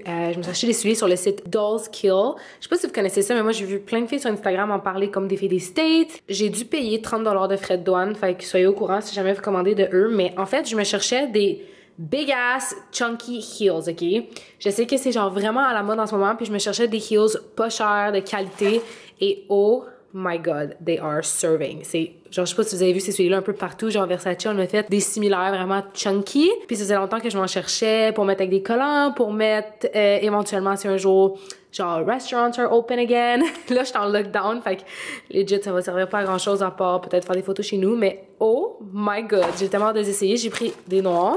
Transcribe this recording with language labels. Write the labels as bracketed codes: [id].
[fr] Je me suis acheté des souliers sur le site Dolls Kill. Je sais pas si vous connaissez ça, mais moi j'ai vu plein de filles sur Instagram en parler comme des filles des States. J'ai dû payer 30$ de frais de douane, fait que soyez au courant si jamais vous commandez de eux. Mais en fait, je me cherchais des [en] big ass chunky heels, [fr] ok? Je sais que c'est genre vraiment à la mode en ce moment, puis je me cherchais des heels pas chers, de qualité. Et [en] oh my god, they are serving. [fr] C'est genre, je sais pas si vous avez vu ces souliers-là un peu partout, genre Versace, on a fait des similaires vraiment chunky. Puis ça faisait longtemps que je m'en cherchais pour mettre avec des collants, pour mettre éventuellement si un jour, genre, [en] restaurants are open again. [fr] Là, je suis en lockdown, fait que legit, ça va servir pas à grand-chose à part peut-être faire des photos chez nous, mais [en] oh my god, [fr] j'ai tellement hâte de les essayer. J'ai pris des noirs.